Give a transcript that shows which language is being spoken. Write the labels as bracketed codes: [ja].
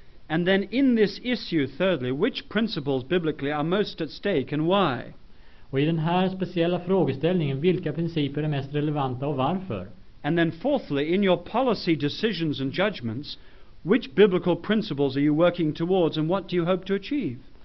[en] And then in this issue, thirdly, which principles biblically are most at stake and why? [sv] Och i den här speciella frågeställningen, vilka principer är mest relevanta och varför? [en] And then fourthly, in your policy decisions and judgments, which biblical principles are you working towards and what do you hope to achieve?